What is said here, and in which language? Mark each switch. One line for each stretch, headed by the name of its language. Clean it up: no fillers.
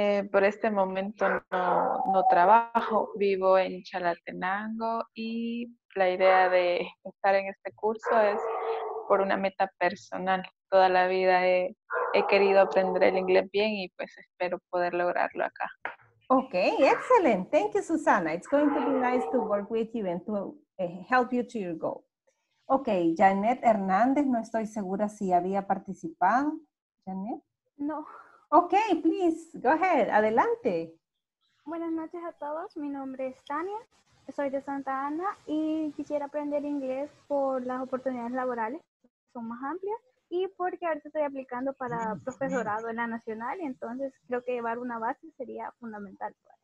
Spanish: Por este momento no trabajo, vivo en Chalatenango y la idea de estar en este curso es por una meta personal. Toda la vida he querido aprender el inglés bien y pues espero poder lograrlo acá.
English: Okay, excellent. Thank you, Susana. It's going to be nice to work with you and to help you to your goal.
Spanish: Okay, Janet Hernández, no estoy segura si había participado. Janet? No.
English: Okay, please, go ahead,
Spanish: adelante. Buenas noches a todos, mi nombre es Tania, soy de Santa Ana y quisiera aprender inglés por las oportunidades laborales, que son más amplias, y porque ahorita estoy aplicando para profesorado en la nacional, y entonces creo que llevar una base sería fundamental.